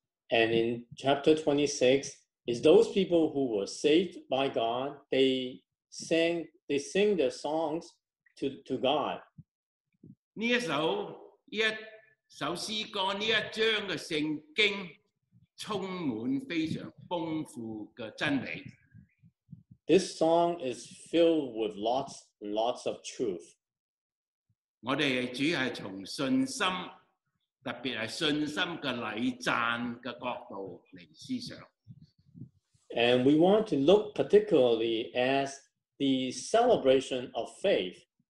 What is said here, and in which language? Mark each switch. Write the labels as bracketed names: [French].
[English] And in chapter 26, is those people who were saved by God, they sing their songs to God. [Chinese] 这一首诗歌，这一章的圣经充满非常丰富的真理。 [English] This song is filled with lots and lots of truth. [Chinese] 我们主要是从信心，特别是信心的礼赞的角度来思想。 [English] And we want to look particularly at the celebration of faith.